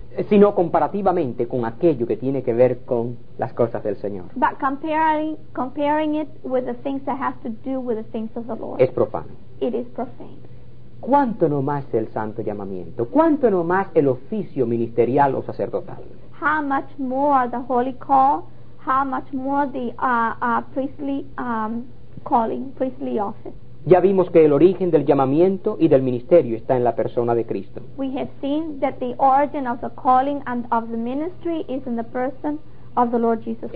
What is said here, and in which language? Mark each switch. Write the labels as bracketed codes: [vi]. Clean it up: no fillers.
[es] Sino comparativamente con aquello que tiene que ver con las cosas del Señor. [en] But comparing it with the things that have to do with the things of the Lord. [es] Es profano. [en] It is profane. [es] ¿Cuánto no más el santo llamamiento? ¿Cuánto no más el oficio ministerial o sacerdotal? [en] How much more the holy call? How much more the priestly calling, priestly office? [es] Ya vimos que el origen del llamamiento y del ministerio está en la persona de Cristo. [en] We have seen that the origin of the calling and of the ministry is in the person of the Lord Jesus Christ.